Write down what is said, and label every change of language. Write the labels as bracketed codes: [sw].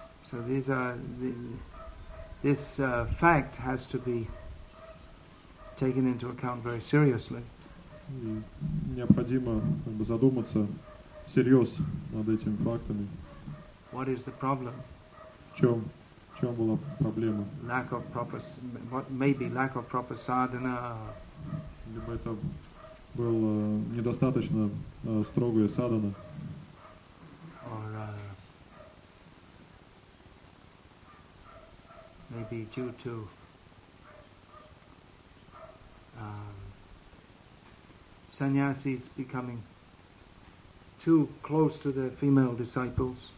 [en] So these are this fact has to be taken into account very seriously. [ru] И необходимо задуматься всерьез над этими фактами. [en] What is the problem? [ru] В чем была проблема? [en] Lack of proper, maybe lack of proper sadhana. [ru] Либо это был недостаточно строгое садхана. [en] Or maybe due to sannyasis becoming too close to their female disciples.